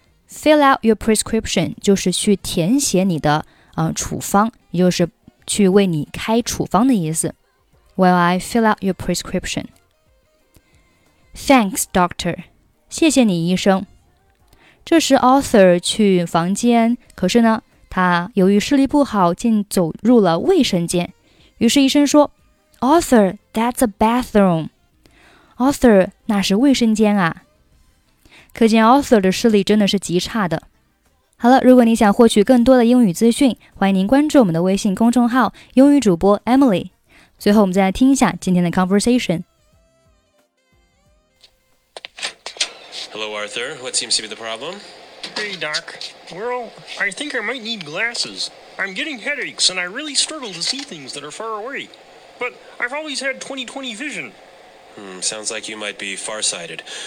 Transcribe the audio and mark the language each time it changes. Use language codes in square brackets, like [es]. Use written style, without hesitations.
[en] Fill out your prescription [zh] 就是去填写你的处方，也就是去为你开处方的意思。 [en] While I fill out your prescription. Thanks, doctor. [zh] 谢谢你，医生。这时 Arthur 去房间，可是呢，他由于视力不好，竟走入了卫生间。于是医生说 [en] Arthur, that's a bathroom. [zh] Arthur, 那是卫生间啊。可见 Arthur 的视力真的是极差的。好了，如果你想获取更多的英语资讯，欢迎您关注我们的微信公众号英语主播 Emily。最后我们再来听一下今天的 conversation。 [en] Hello Arthur, what seems to be the problem? Hey doc, well, I think I might need glasses. I'm getting headaches and I really struggle to see things that are far away. But I've always had 20/20 vision. Sounds like you might be farsighted.